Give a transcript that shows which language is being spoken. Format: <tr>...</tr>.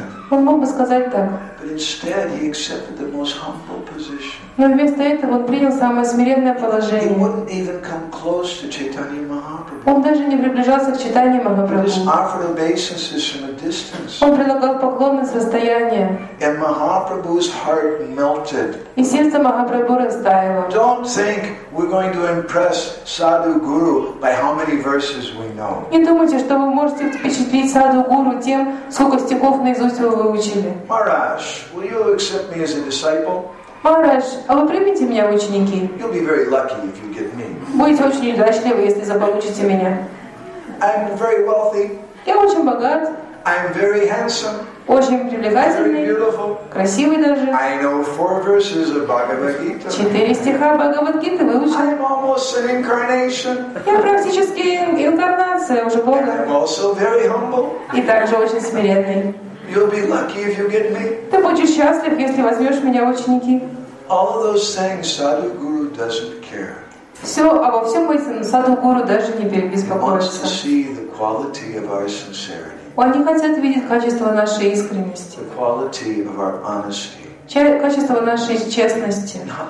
<ru>Он мог бы сказать так.</ru> <en>But instead, he accepted the most humble position.</en> <ru>Но вместо этого он принял самое смиренное положение.</ru> <en>He wouldn't even come close to Chaitanya Mahaprabhu.</en> <ru>Он даже не приближался к Чайтанье Махапрабху.</ru> <en>But his offered obeisances from a distance.</en> <ru>Он предлагал поклоны с расстояния.</ru> <en>And Mahaprabhu's heart melted.</en> <ru>И сердце Махапрабху растаяло.</ru> <en>Don't think we're going to impress Sadhu Guru by how many verses we know.</en> <ru>Не думайте, что вы можете впечатлить Sadhu Guru тем, сколько стихов наизусть вы выучили.</ru> <en>Maharaj, will you accept me as a disciple?</en> <ru>Мараш, а вы примите меня в ученики?</ru> <en>You'll be very lucky if you get me.</en> <ru>Будете очень удачливы, если заполучите меня.</ru> <en>I'm very wealthy.</en> <ru>Я очень богат.</ru> <en>I'm very handsome.</en> <ru>Очень привлекательный.</ru> <en>Very beautiful.</en> <ru>Красивый даже.</ru> <en>I know 4 verses of Bhagavad Gita.</en> <ru>4 стиха Бхагавад Гиты выучил.</ru> <en>I'm almost an incarnation.</en> <ru>Я практически инкарнация уже Бога.</ru> <en>And I'm also very humble.</en> <ru>И также очень смиренный.</ru> <en>You'll be lucky if you get me.</en> <ru>Ты будешь счастлив, если возьмешь меня в ученики.</ru> <en>All of those things, Sadhu Guru doesn't care.</en> <ru>Все обо всем этом Sadhu Guru даже не беспокоится.</ru> <en>He wants to see the quality of our sincerity.</en> <ru>Они хотят видеть качество нашей искренности.</ru> <en>The quality of our honesty.</en> <ru>Качество нашей честности.</ru>